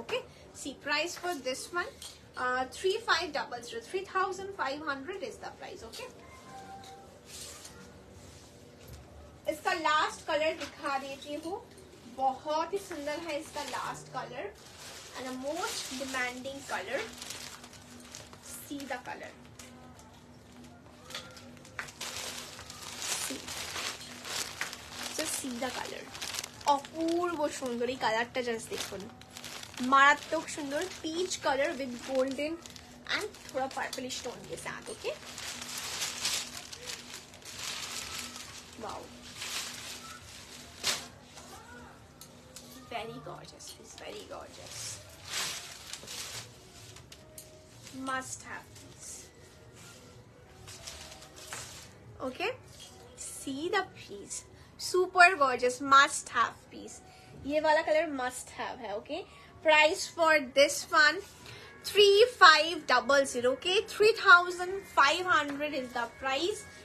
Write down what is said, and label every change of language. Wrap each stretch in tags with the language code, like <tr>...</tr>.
<en>Okay see price for this one 3500 is the price.</en> <hi>Okay इसका last colour दिखा देती हूँ, बहुत ही सुंदर है इसका last colour and a most demanding colour.</hi> <en>see the colour,</en> <bn>অপূর্ব সুন্দর এই কালারটা, জাস্ট দেখুন মারাত্মক সুন্দর peach colour with golden and থোড়া পার্পল স্টোন কে সাথ.</bn> <en>Okay wow very gorgeous, it's very gorgeous, must have this. Okay see the piece, super gorgeous, must have piece.</en> <hi>ये वाला कलर मस्ट हैव है. Okay price for this one 3500.</hi> <en>Okay 3500 is the price.</en>